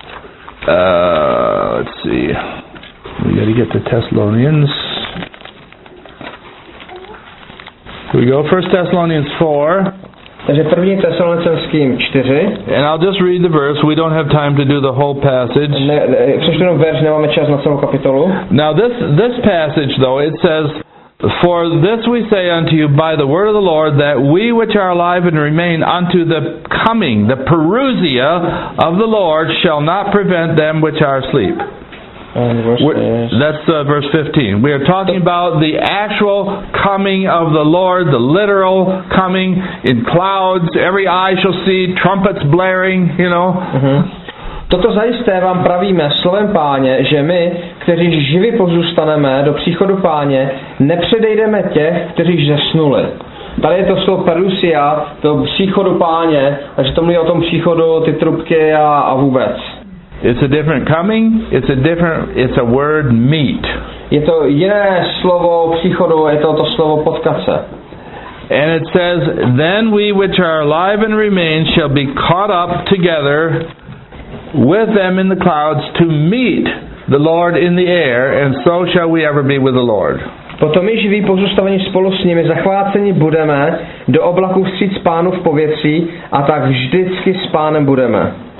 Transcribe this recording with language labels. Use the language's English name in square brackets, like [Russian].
[English] Let's see. We gotta get to Thessalonians. Here we go, 1 Thessalonians 4. [Czech] Takže 1. Thessalonickým 4. [English] And I'll just read the verse. We don't have time to do the whole passage. [Czech] Přečtu jenom verš, nemáme čas na celou kapitolu. [English] Now this passage though, it says, for this we say unto you by the word of the Lord, that we which are alive and remain unto the coming, the parousia of the Lord, shall not prevent them which are asleep. That's verse 15. We are talking about the actual coming of the Lord, the literal coming in clouds. Every eye shall see, trumpets blaring, you know. [Czech] Toto zajisté vám pravíme slovem Páně, že my, kteří živi pozůstaneme do příchodu Páně, nepředejdeme těch, kteří zesnuli. Tady je to slovo parusia, to příchodu Páně, takže to mluví o tom příchodu, ty trubky a vůbec. [English] It's a different coming, it's a word meet. [Czech] Je to jiné slovo příchodu, je to to slovo potkat se. [English] And it says, then we which are alive and remain shall be caught up together with them in the clouds to meet the Lord in the air, and so shall we ever be with the Lord. [Czech] Potom my živí pozůstavení spolu s nimi zachváceni budeme do oblaku vstříc Pánu v pověcí a tak vždycky s Pánem budeme.